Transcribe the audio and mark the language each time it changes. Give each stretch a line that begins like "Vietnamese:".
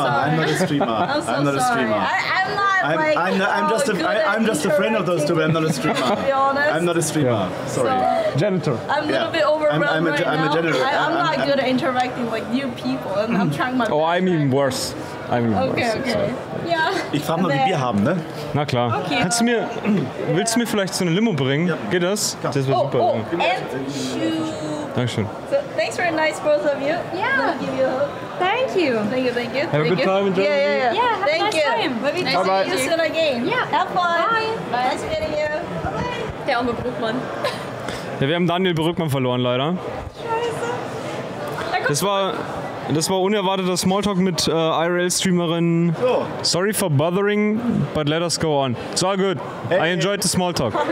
English: I'm not a streamer. I'm just a friend of those two, but I'm not a streamer. To be honest. I'm not a streamer. Yeah. Sorry. So, janitor. I'm a little bit overwhelmed I'm a janitor. I'm not good at interacting with new people, and I'm trying my best. Oh, I'm even worse. Okay.
German: Ich frage mal, wie wir haben, ne? Na klar. Okay. Willst du mir vielleicht so eine Limo bringen? Ja. Geht das? Klar. Das wäre super.
English: Oh, and you.
German: Dankeschön.
English: So, thanks for a nice both of you. Yeah. Thank you. Have a good time in Germany. Yeah. Have a nice time. Maybe nice to see you soon again. Yeah. Have fun. Bye. Nice meeting you. Bye.
German: Der arme Brückmann. Ja, wir haben Daniel Brückmann verloren, leider. Scheiße. Das war unerwarteter Smalltalk mit IRL-Streamerin. Jo.
English: Sorry for bothering, but let us go on. It's all good. Hey. I enjoyed the Smalltalk.